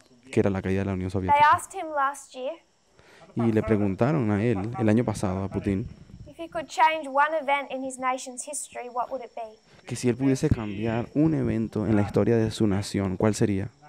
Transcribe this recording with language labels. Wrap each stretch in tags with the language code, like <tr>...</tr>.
<es>Que era la caída de la Unión Soviética.</es> <en>They asked him last year.</en> <es>Y le preguntaron a él el año pasado a Putin.</es> <en>If he could change one event in his nation's history, what would it be?</en> <es>Que si él pudiese cambiar un evento en la historia de su nación, ¿cuál sería?</es>